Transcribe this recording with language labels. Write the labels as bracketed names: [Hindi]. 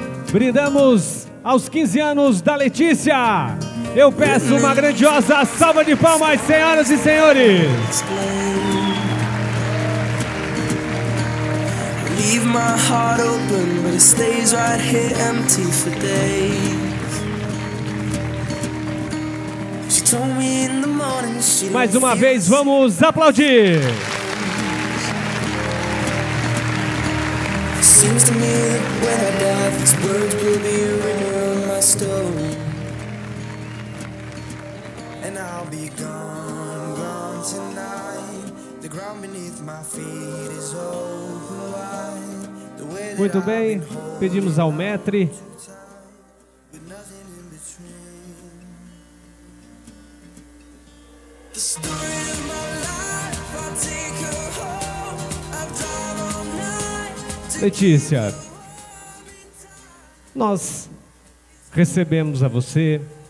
[Portuguese] Brindamos aos 15 anos da Letícia. Eu peço uma grandiosa salva de palmas, senhoras e senhores. [English] Leave my heart open, but it stays right here empty for days. She told me in the morning she loves. [Portuguese] Mais uma vez, vamos aplaudir. [English] Seems to me that when I die, these words will be written on my stone. And I'll be gone, gone tonight. The ground beneath my feet is open wide. [Portuguese] Muito bem, pedimos ao Maître. Letícia, nós recebemos a você,